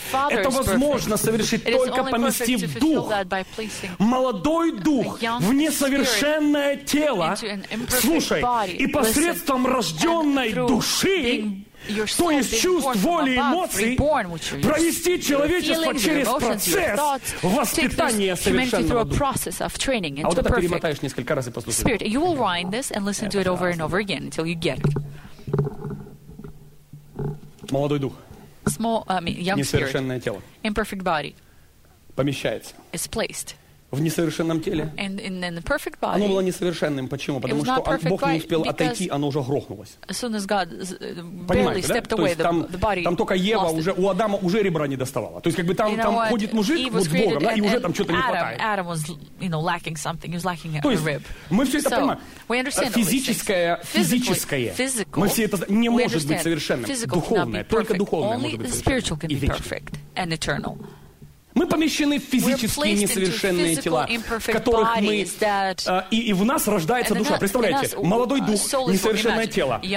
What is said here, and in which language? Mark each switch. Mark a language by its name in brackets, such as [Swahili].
[Russian] Это возможно совершить, только поместив дух, молодой дух, в несовершенное тело. Слушай, и посредством рожденной души, то есть чувств, воли, эмоций, провести человечество через процесс воспитания совершенного духа. А вот это перемотаешь несколько раз и послушаешь. [English] Spirit, you will rewind this and listen to it over and over again until you get it. [Russian] Молодой дух. [English] Small, young spirit. [Russian] Несовершенное тело. [English] Imperfect body. [Russian] Помещается. [English] Is placed. [Russian] В несовершенном теле. [English] And in the perfect body. [Russian] Оно было несовершенным. Почему? Потому что Бог не успел отойти, оно уже грохнулось. [English] As soon as God [Russian] Понимаете, да? [English] Away, [Russian] то есть там, [English] the body [Russian] там только Ева уже, у Адама уже ребра не доставала. То есть как бы там, там ходит мужик вот с Богом, да, и уже там что-то не хватает. [English] Adam was, you know, lacking something. He was lacking a rib. [Russian] То есть мы все это понимаем. Физическое, физическое. [English] Physical, [Russian] мы все это не может быть совершенным. Духовное. Только духовное [English] Only [Russian] может быть совершенным. И вечное. Мы помещены в физические несовершенные тела, в которых мы... И в нас рождается душа. Представляете, молодой дух, несовершенное тело.